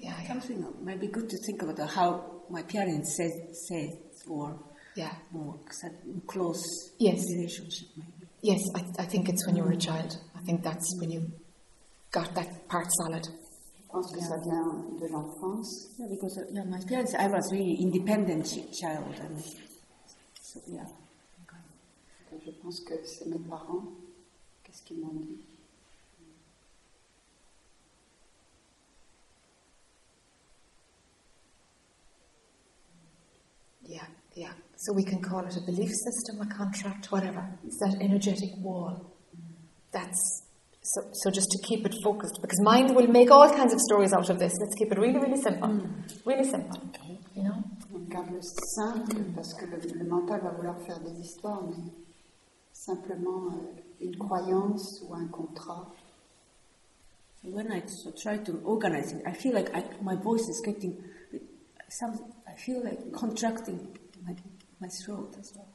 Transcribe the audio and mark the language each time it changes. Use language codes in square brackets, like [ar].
[en] Something might be good to think about how my parents said, relationship maybe. Yes, I think it's when you were a child. I think that's when you got that part solid. Yeah, because my parents, I was really independent child. And so, yeah. [fr] Je pense que c'est mes parents. Qu'est-ce qu'ils m'ont dit? [en] Yeah, yeah. So we can call it a belief system, a contract, whatever. It's that energetic wall. That's so just to keep it focused, because mind will make all kinds of stories out of this. Let's keep it really, really simple. Really simple. Okay. You know? [fr] On garde le simple parce que le mental va vouloir faire des histoires, mais. Simplement une croyance ou un contrat. [en] When I try to organize it, I feel like my voice is getting I feel like contracting my throat as well.